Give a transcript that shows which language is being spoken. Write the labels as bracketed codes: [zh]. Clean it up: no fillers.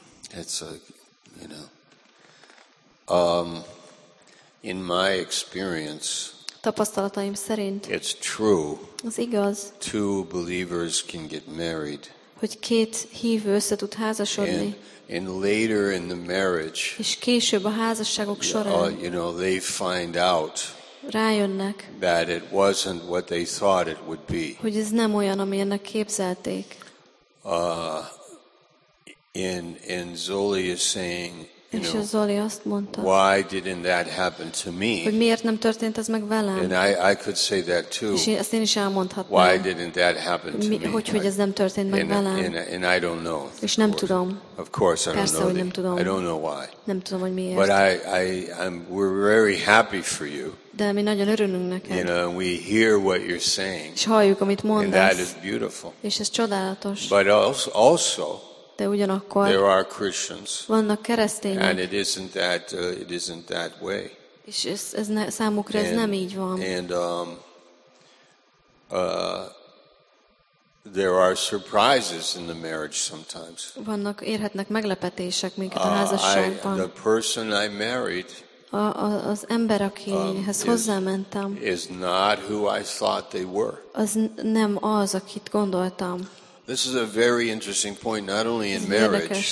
[en] It's a you know in my experience [hu] tapasztalataim szerint [en] it's true [hu] az igaz [en] two believers can get married [hu] hogy két hívő össze tud házasodni [en] and later in the marriage [hu] és később a házasságok során [en] you know they find out [hu] rájönnek [en] that it wasn't what they thought it would be [hu] hogy ez nem olyan amilyennek képzelték [en] and Zoli is saying [hu] és a Zoli azt mondta, [en] why didn't that happen to me? [hu] Hogy miért nem történt ez meg velem? [en] And I could say that too. [hu] És azt én is elmondhatnám. [en] Why didn't that happen to me? [hu] Hogy ez nem történt meg velem? [en] And I don't know. [hu] És nem tudom. [en] Of course I don't [hu] persze, [en] know. [hu] Persze, nem tudom. [en] I don't know why. [hu] Nem tudom, hogy miért. [en] But I'm we're very happy for you. [hu] De mi nagyon örülünk neked. [en] You know, we hear what you're saying. [hu] És halljuk, amit mondasz. [en] And that is beautiful. [hu] És ez csodálatos. [en] But also [hu] de ugyanakkor [en] there are Christians, [hu] vannak keresztények. [en] And it isn't that way. [hu] És ez ne, számukra ez nem így van. [en] And there are surprises in the marriage sometimes. [hu] Vannak érhetnek meglepetések minket a házasságban. [en] The person I married [hu] az ember, akihez hozzámentem, [en] is not who I thought they were. [hu] Az nem az, akit gondoltam. [en] This is a very interesting point, not only in marriage,